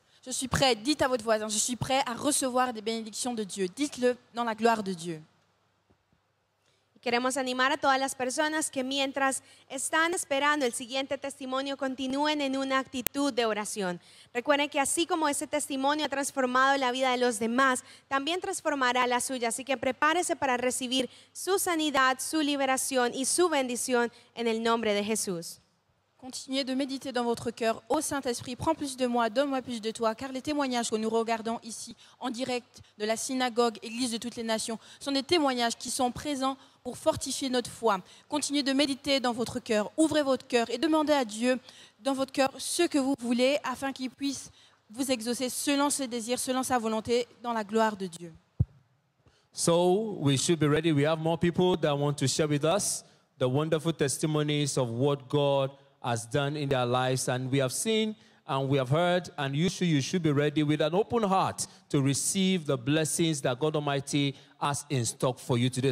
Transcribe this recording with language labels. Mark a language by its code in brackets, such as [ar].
[fr] Je suis prêt, dites à votre voisin, je suis prêt à recevoir des bénédictions de Dieu. Dites-le dans la gloire de Dieu. [es] Queremos animar a todas las personas que mientras están esperando el siguiente testimonio, continúen en una actitud de oración. Recuerden que así como ese testimonio ha transformado la vida de los demás, también transformará la suya. Así que prepárese para recibir su sanidad, su liberación y su bendición en el nombre de Jesús. [fr] Continuez de méditer dans votre cœur. Ô Saint-Esprit, prends plus de moi, donne-moi plus de toi, car les témoignages que nous regardons ici en direct de la synagogue Église de toutes les nations sont des témoignages qui sont présents pour fortifier notre foi. Continuez de méditer dans votre cœur, ouvrez votre cœur et demandez à Dieu dans votre cœur ce que vous voulez afin qu'il puisse vous exaucer selon ses désirs, selon sa volonté, dans la gloire de Dieu. [en] So, we should be ready. We have more people that want to share with us the wonderful testimonies of what God has done in their lives, and we have seen and we have heard, and you should be ready with an open heart to receive the blessings that God Almighty has in stock for you today.